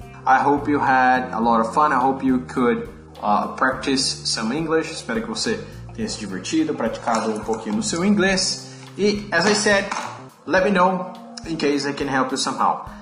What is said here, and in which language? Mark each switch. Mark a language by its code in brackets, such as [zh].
[en] I hope you had a lot of fun, I hope you could practice some English. [pt] Espero que você tenha se divertido, praticado um pouquinho no seu inglês. [en] E, as I said, let me know in case I can help you somehow.